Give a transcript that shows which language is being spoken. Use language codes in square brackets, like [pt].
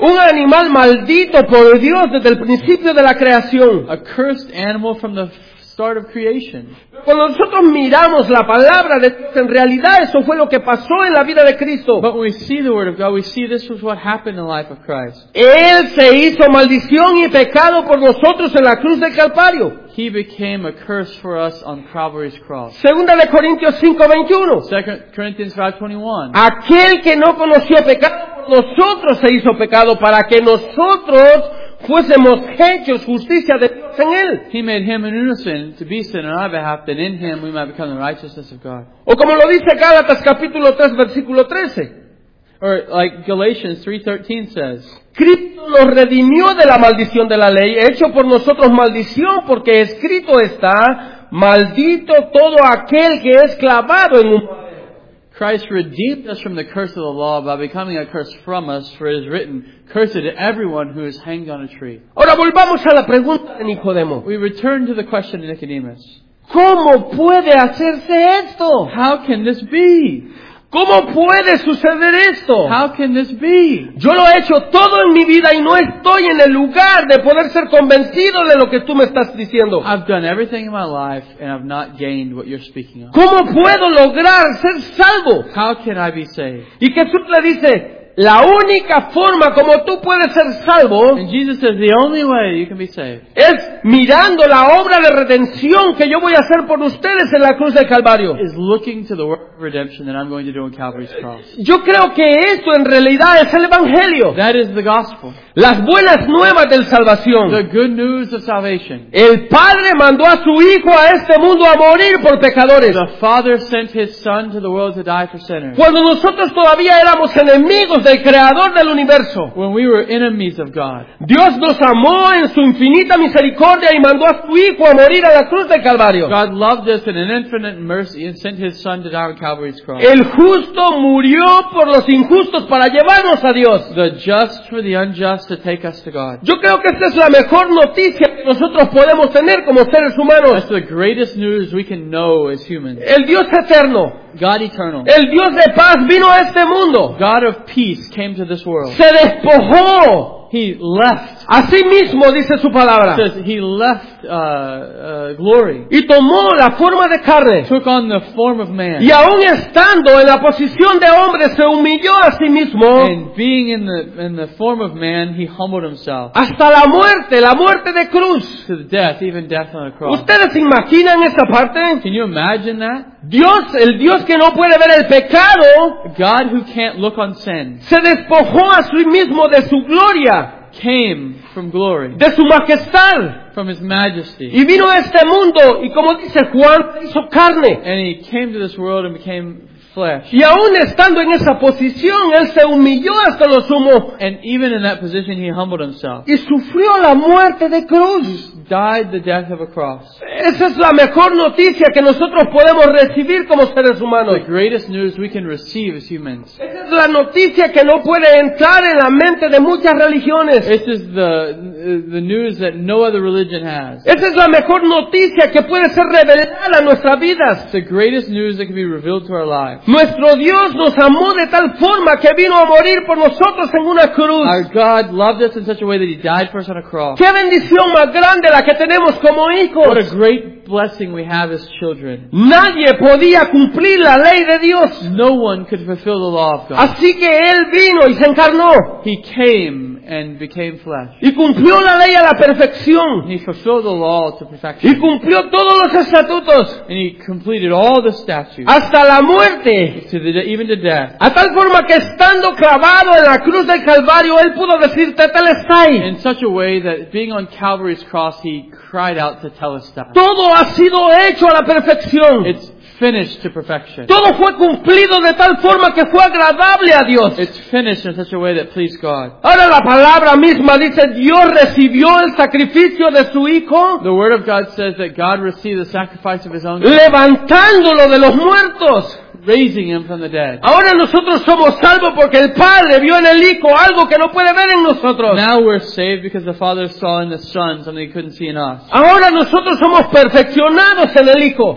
[es] Un animal maldito. Por Dios desde el principio de la creación. [en] A cursed animal from the start of creation. [es] Cuando nosotros miramos la palabra de Dios, en realidad eso fue lo que pasó en la vida de Cristo. [en] But when we see the word of God, we see this was what happened in the life of Christ. [es] Él se hizo maldición y pecado por nosotros en la cruz del Calvario. [en] He became a curse for us on Calvary's cross. [es] Segunda de Corintios 5:21. [en] 2 Corinthians 5:21. [es] Aquel que no conoció pecado nosotros se hizo pecado para que nosotros fuésemos hechos justicia de Dios en él. [en] He made him an innocent to be sin on our behalf, that in him we might become the righteousness of God. [es] O como lo dice Gálatas capítulo 3 versículo 13. [en] Or like Galatians 3:13 says. [es] Cristo nos redimió de la maldición de la ley, hecho por nosotros maldición, porque escrito está, maldito todo aquel que es clavado en un [en] Christ redeemed us from the curse of the law by becoming a curse from us, for it is written, cursed is everyone who is hanged on a tree. [es] Ahora volvamos a la pregunta de Nicodemo. [en] We return to the question of Nicodemus. [es] ¿Cómo puede hacerse esto? [en] How can this be? [es] ¿Cómo puede suceder esto? [en] How can this be? [es] Yo lo he hecho todo en mi vida y no estoy en el lugar de poder ser convencido de lo que tú me estás diciendo. [en] I've done everything in my life and I've not gained what you're speaking of. [es] ¿Cómo puedo lograr ser salvo? [en] How can I be saved? [es] Y Jesús le dice, la única forma como tú puedes ser salvo, [en] and Jesus says, the only way you can be saved, [es] es mirando la obra de redención que yo voy a hacer por ustedes en la cruz del Calvario. [en] Is looking to the work of redemption that I'm going to do on Calvary's cross. [es] Yo creo que esto en realidad es el evangelio. [en] That is the gospel. [es] Las buenas nuevas de salvación. [en] The good news of salvation. [es] El Padre mandó a su Hijo a este mundo a morir por pecadores. [en] The Father sent his Son to the world to die for sinners. [es] Cuando nosotros todavía éramos enemigos del creador del universo. [en] When we were enemies of God. [es] Dios nos amó en su infinita misericordia y mandó a su Hijo a morir a la cruz del Calvario. [en] God loved us in an infinite mercy and sent his Son to die on Calvary's cross. [es] El justo murió por los injustos para llevarnos a Dios. [en] The just for the unjust to take us to God. [es] Yo creo que esta es la mejor noticia que nosotros podemos tener como seres humanos. [en] That's the greatest news we can know as humans. [es] El Dios eterno, [en] God eternal. [es] El Dios de paz vino a este mundo. [en] God of peace came to this world. [es] Se despojó. [en] He left. [es] Así mismo dice su palabra. [en] It says he left glory. [es] Y tomó la forma de carne. [en] Took on the form of man. [es] Y aún estando en la posición de hombre, se humilló a sí mismo. [en] And being in the form of man, he humbled himself. [es] Hasta la muerte de cruz. [en] To the death, even death on the cross. [es] ¿Ustedes se imaginan esta parte? [en] Can you imagine that? [es] Dios, el Dios que no puede ver el pecado, [en] God who can't look on sin, [es] se despojó a sí mismo de su gloria, [en] came from glory, [es] de su majestad, [en] from his majesty, [es] y vino a este mundo, y como dice Juan, hizo carne, [en] and he came to this world and became flesh. [es] Y aún estando en esa posición, él se humilló hasta lo sumo, [en] and even in that position, he humbled himself, [es] y sufrió la muerte de cruz. [en] He's died the death of a cross. [es] Esa es la mejor noticia que nosotros podemos recibir como seres humanos. [en] The greatest news we can receive as humans. [es] Esa es la noticia que no puede entrar en la mente de muchas religiones. [en] This is the news that no other religion has. [es] Esa es la mejor noticia que puede ser revelada a nuestras vidas. [en] The greatest news that can be revealed to our lives. [es] Nuestro Dios nos amó de tal forma que vino a morir por nosotros en una cruz. [en] Our God loved us in such a way that he died for us on a cross. [es] Qué bendición más grande la que tenemos como hijos. [en] What a great blessing we have as children. [es] Nadie podía cumplir la ley de Dios. [en] No one could fulfill the law of God. [es] Así que él vino y se encarnó. [en] He came and became flesh. [es] Y cumplió la ley a la perfección. [en] He fulfilled the law to perfection. [es] Y cumplió todos los estatutos. [en] And he completed all the statutes. [es] Hasta la muerte. [en] Even to death. [es] A tal forma que estando clavado en la cruz del Calvario, él pudo decir Tetelestai. [en] In such a way that being on Calvary's cross, he cried out to Tetelestai. [es] Todo ha sido hecho a la perfección. [en] It's finished to perfection. [es] Todo fue cumplido de tal forma que fue agradable a Dios. [en] It's finished in such a way that pleased God. [es] Ahora la palabra misma dice Dios recibió el sacrificio de su hijo. [en] The word of God says that God received the sacrifice of his own. [es] Levantándolo de los muertos. [en] Raising him from the dead. [es] Ahora nosotros somos salvos porque el Padre vio en el Hijo algo que no puede ver en nosotros. [en] Now we're saved because the Father saw in the Son something he couldn't see in us. [es] Ahora nosotros somos perfeccionados en el Hijo.